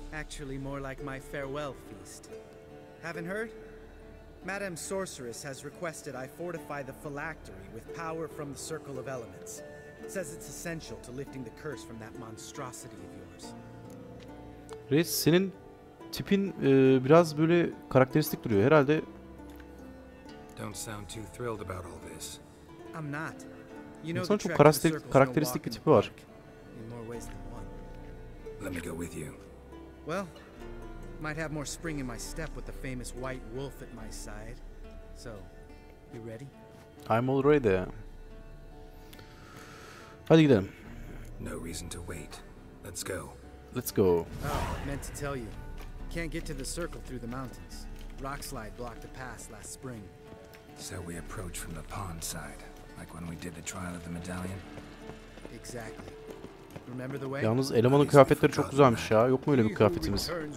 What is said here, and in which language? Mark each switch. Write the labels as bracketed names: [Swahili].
[English] Actually more like my farewell feast. Haven't heard? Madame Sorceress has requested I fortify the phylactery with power from the Circle of Elements. Says it's essential to lifting the curse from that monstrosity of yours. [Turkish] Reis, senin tipin biraz böyle karakteristik duruyor herhalde. [English] Don't sound too thrilled about all this. I'm not. You know, [Turkish] İnsan çok karakteristik bir tipi var. [English] In more ways than one. Let me go with you. Well, might have more spring in my step with the famous white wolf at my side. So, you ready? I'm all ready. [Turkish] Hadi gidelim. [English] No reason to wait. Let's go. Let's go. Oh, meant to tell you. Can't get to the circle through the mountains. Rock slide blocked the pass last spring. So we approach from the pond side, like when we did the trial of the medallion? Exactly. Remember the way? [Turkish] Yalnız elemanın kıyafetleri çok güzelmiş ya. Yok mu öyle bir kıyafetimiz?